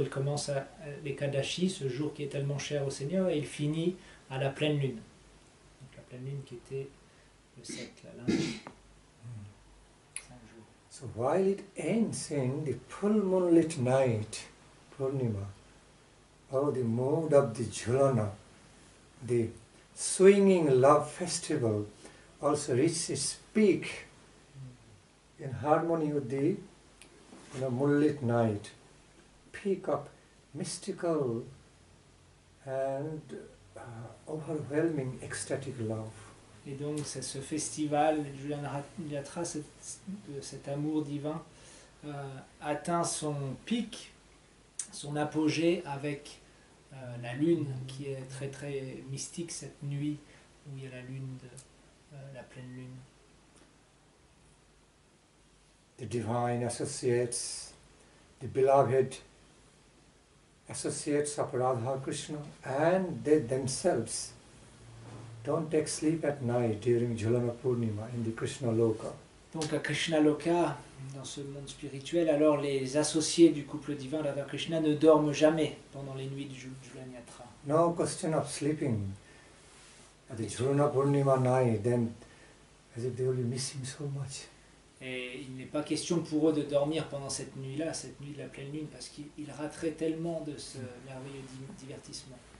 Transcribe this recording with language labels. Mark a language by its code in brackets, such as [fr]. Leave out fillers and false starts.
[fr] Il commence à l'Ekadashi, ce jour qui est tellement cher au Seigneur, et il finit à la pleine lune. Donc la pleine lune qui était le 7, la lundi. [en] So while it ends in the full moonlit night, Purnima, oh, the mood of the Jhulana, the swinging love festival, also reaches its peak in harmony with the moonlit night, peak of mystical and overwhelming ecstatic love. [fr] Et donc c'est ce festival, Jhulan Yatra, cet amour divin, atteint son pic, son apogée avec la lune qui est très très mystique cette nuit où il y a la lune, la pleine lune. [en] The divine associates, the beloved associates of Radha Krishna and they themselves don't take sleep at night during Jhulana Purnima in the Krishna Loka. [fr] Donc à Krishna Loka, dans ce monde spirituel, alors les associés du couple divin Radha Krishna ne dorment jamais pendant les nuits du Jhulan Yatra. [en] No question of sleeping. At the Jhulana Purnima night, then as if they will be missing so much. [fr] Et il n'est pas question pour eux de dormir pendant cette nuit-là, cette nuit de la pleine lune, parce qu'ils rateraient tellement de ce merveilleux divertissement.